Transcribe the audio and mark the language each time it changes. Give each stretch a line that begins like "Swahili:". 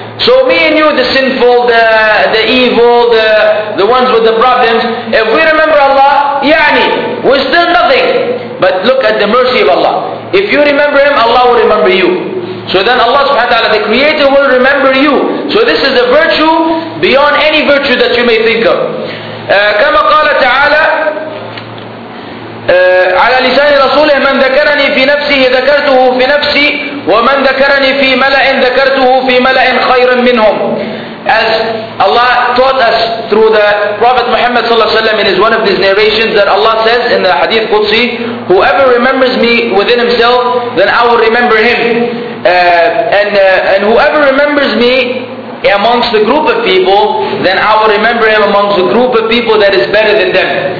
English: So me and you, the sinful, the evil, the ones with the problems, if we remember Allah, يعني, we're still nothing. But look at the mercy of Allah. If you remember Him, Allah will remember you. So then Allah subhanahu wa ta'ala, the Creator, will remember you. So this is a virtue beyond any virtue that you may think of.
Arabic: كما قال تعالى على لسان رسوله من ذكرني في نفسه ذكرته في نفسي ومن ذكرني في ملأ ذكرته في ملأ خير منهم.
English: As Allah taught us through the Prophet Muhammad sallallahu alaihi wasallam in his one of these narrations, that Allah says in the Hadith Qudsi, whoever remembers me within himself, then I will remember him. And whoever remembers me amongst the group of people, then I will remember him amongst the group of people that is better than them.